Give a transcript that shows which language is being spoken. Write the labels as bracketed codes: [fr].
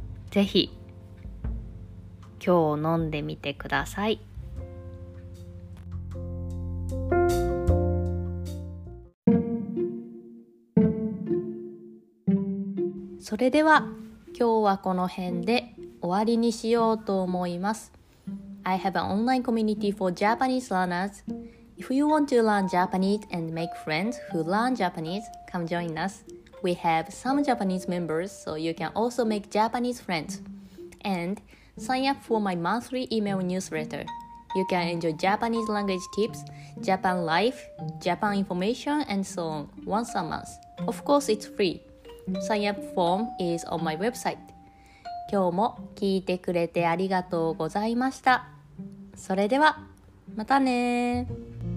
[ja] ぜひ今日飲んでみてください。それでは今日はこの辺で終わりにしようと思います。 [en] I have an online community for Japanese learners. If you want to learn Japanese and make friends who learn Japanese, come join us. We have some Japanese members, so you can also make Japanese friends. And sign up for my monthly email newsletter. You can enjoy Japanese language tips, Japan life, Japan information, and so on once a month. Of course, it's free. Sign up form is on my website. [ja] 今日も聞いてくれてありがとうございました。それでは、またねー。